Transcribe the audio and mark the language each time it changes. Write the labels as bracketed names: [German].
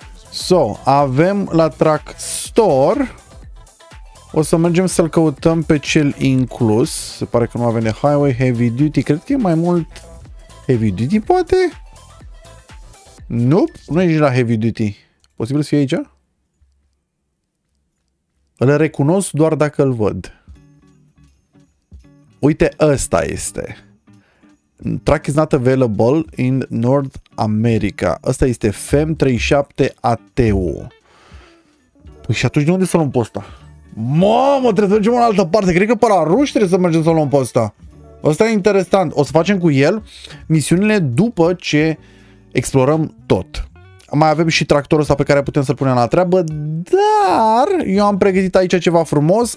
[Romanian] So, avem la Truck Store, o să mergem să-l căutăm pe cel inclus, se pare că nu avem de Highway Heavy Duty, cred că e mai mult Heavy Duty, poate? Nope, nu e nici la Heavy Duty, posibil să fie aici? Îl recunosc doar dacă îl văd. Uite, ăsta este. [English] Truck is not available in North America. [Romanian] Asta este FEM37 ATU. Păi și atunci de unde să luăm pe ăsta? Mamă, trebuie să mergem în altă parte. Cred că pe la ruși trebuie să mergem să luăm pe ăsta. Ăsta e interesant. O să facem cu el misiunile după ce explorăm tot. Mai avem și tractorul ăsta pe care putem să-l punem la treabă, dar eu am pregătit aici ceva frumos.